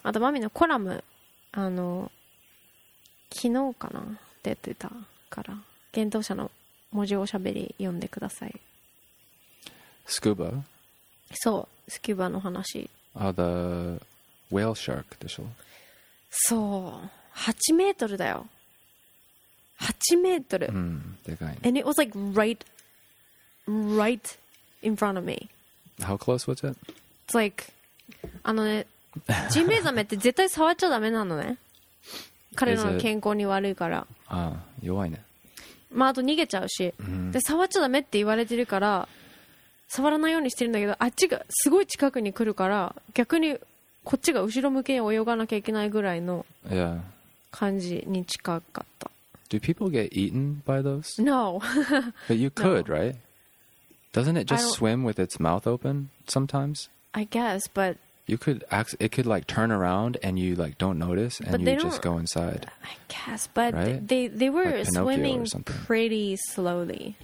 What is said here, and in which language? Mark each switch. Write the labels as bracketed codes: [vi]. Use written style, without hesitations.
[ja] あとマミのコラム、あの昨日かな出てたから幻冬舎の文字おしゃべり読んでください。スキューバ、そうスキューバの話、 [en] あ the whale shark [ja] でしょ、そう8メートルだよ、8メートル、うん、でかいね。 [en] And it was like right in front of me. How close was it? It's like, [ja] あのね、ジンベエザメって絶対触っちゃダメなのね。彼の健康に悪いから。ああ、弱いね。まああと逃げちゃうし、で触っちゃダメって言われてるから、触らないようにしてるんだけど、あっちがすごい近くに来るから、逆にこっちが後ろ向けに泳がなきゃいけないぐらいの感じに近かった。 [en] Yeah. Do people get eaten by those? No. But you could, no. right? Doesn't it just swim with its mouth open sometimes? I guess, but... You could it could like turn around and you like don't notice and you just go inside. I guess, but right? they were like swimming pretty slowly.